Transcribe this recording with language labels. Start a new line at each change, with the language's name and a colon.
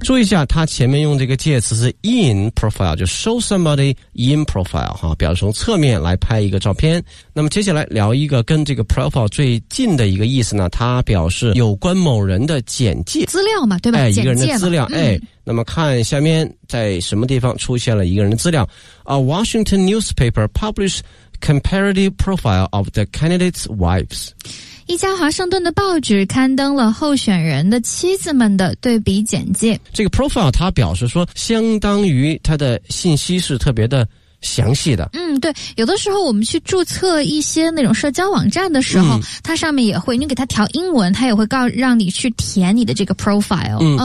Chinese: 注意一下，她前面用这个介词是 in profile， 就
English: show somebody in profile，
Chinese: 哈，表示从侧面来拍一个照片。那么接下来聊一个跟这个 profile 最近的一个意思呢，它表示有关某人的简介。资料嘛，对吧，哎，一个人的资料，哎。那么看下面在什么地方出现了一个人的资料。
English: A Washington newspaper published comparative profile of the candidates' wives.
Chinese: 一家华盛顿的报纸刊登了候选人的妻子们的对比简介。这个 profile 它表示说相当于它的信息是特别的详细的。嗯，对，有的时候我们去注册一些那种社交网站的时候，它上面也会，你给它调英文，它也会告让你去填你的这个 profile。